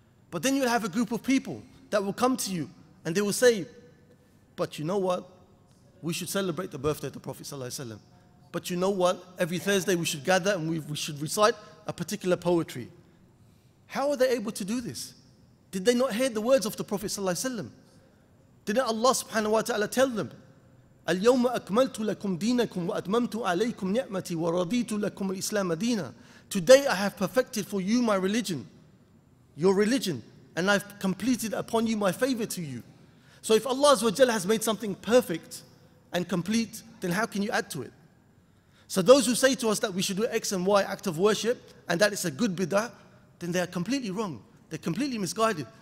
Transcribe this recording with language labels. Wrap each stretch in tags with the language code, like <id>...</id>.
<en>But then you'll have a group of people that will come to you and they will say, but you know what? We should celebrate the birthday of the Prophet ﷺ. But you know what? Every Thursday we should gather and we should recite a particular poetry. How are they able to do this? Did they not hear the words of the Prophet ﷺ? Didn't Allah subhanahu wa ta'ala tell them,</en> <ar>اليوم أكملت لكم دينكم وأتممت عليكم نعمتي ورضيت لكم الإسلام دينا.</ar> <en>Today I have perfected for you my religion, your religion, and I've completed upon you my favor to you. So if Allah has made something perfect and complete, then how can you add to it? So those who say to us that we should do X and Y act of worship and that it's a good bid'ah, then they are completely wrong. They're completely misguided.</en>